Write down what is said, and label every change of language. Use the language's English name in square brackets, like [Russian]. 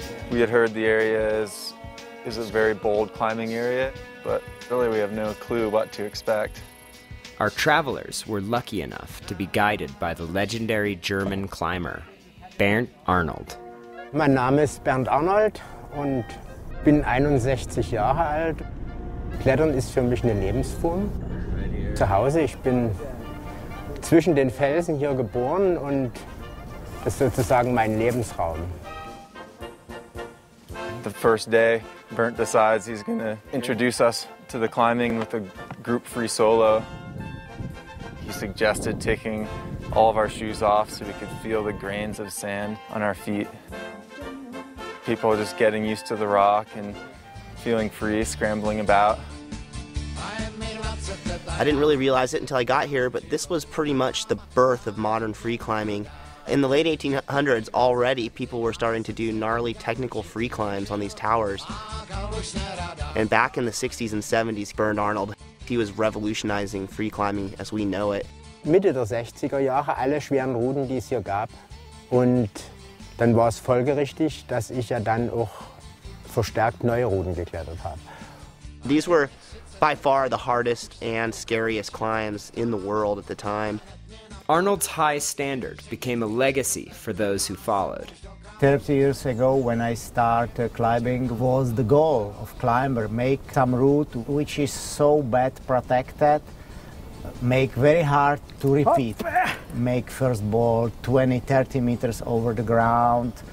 [English] We had heard the area is a very bold climbing area, but really we have no clue what to expect. Our travelers were lucky enough to be guided by the legendary German climber, Bernd Arnold. My name is Bernd Arnold and I'm 61 years old. Klettern is for me a Lebensform. [German] Zu Hause, ich bin zwischen den Felsen hier geboren und das ist sozusagen mein Lebensraum. [English] The first day, Bernd decides he's gonna introduce us to the climbing with a group free solo. He suggested taking all of our shoes off so we could feel the grains of sand on our feet. People just getting used to the rock and feeling free, scrambling about. I didn't really realize it until I got here, but this was pretty much the birth of modern free climbing. In the late 1800s, already people were starting to do gnarly technical free climbs on these towers. And back in the 60s and 70s, Bernd Arnold He was revolutionizing free climbing as we know it. [German] Mitte der 60er Jahre alle schweren Routen, die es hier gab. Und dann war es folgerichtig, dass ich ja dann auch verstärkt neue Routen geklettert habe. [English] These were by far the hardest and scariest climbs in the world at the time. Arnold's high standard became a legacy for those who followed. 30 years ago when I started climbing was the goal of climber, make some route which is so bad protected, make very hard to repeat, make first ball 20, 30 meters over the ground.